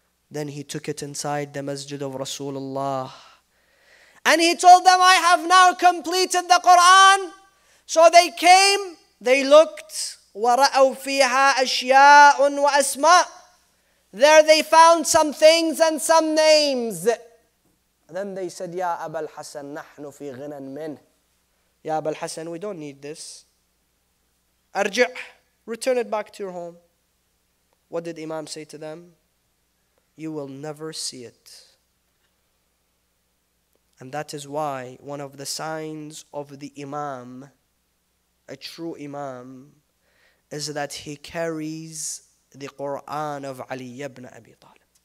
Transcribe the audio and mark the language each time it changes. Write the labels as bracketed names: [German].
[English] Then he took it inside the Masjid of Rasulullah. And he told them, I have now completed the Qur'an. So they came, they looked. [Arabic] وَرَأَوْ فِيهَا أَشْيَاءٌ وَأَسْمَاءٌ [English] There they found some things and some names. Then they said, [Arabic] يَا أَبَا الْحَسَنْ نَحْنُ فِي غِنًا مِنْهِ يَا أَبَا الْحَسَنْ, [English] we don't need this. أَرْجِعْ, return it back to your home. What did Imam say to them? You will never see it. And that is why one of the signs of the Imam, a true Imam, is that he carries the Quran of Ali ibn Abi Talib.